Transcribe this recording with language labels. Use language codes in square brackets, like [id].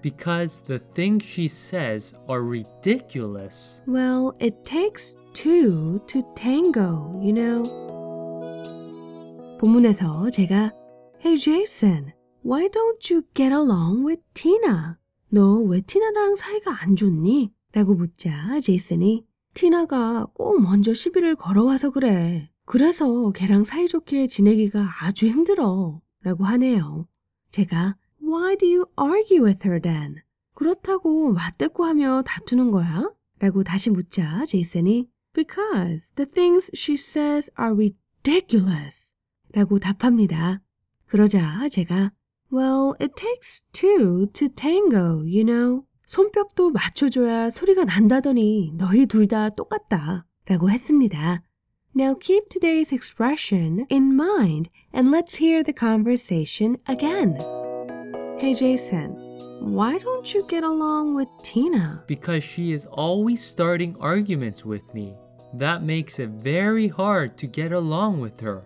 [en] Because the things she says are ridiculous. Well, it takes two to tango, you know. [ko] 본문에서 제가 [en] Hey Jason, why don't you get along with Tina? [ko] 너 왜 티나랑 사이가 안 좋니? 라고 묻자 제이슨이 티나가 꼭 먼저 시비를 걸어와서 그래. 그래서 걔랑 사이좋게 지내기가 아주 힘들어 라고 하네요. 제가 [en] Why do you argue with her then? [ko] 그렇다고 맞대꾸하며 다투는 거야? 라고 다시 묻자 제이슨이 [en] Because the things she says are ridiculous [ko] 라고 답합니다. 그러자 제가 [en] Well, it takes two to tango, you know. [ko] 손뼉도 맞춰줘야 소리가 난다더니 너희 둘 다 똑같다 라고 했습니다. [en] Now keep today's expression in mind and let's hear the conversation again. Hey Jason, why don't you get along with Tina? Because she is always starting arguments with me. That makes it very hard to get along with her.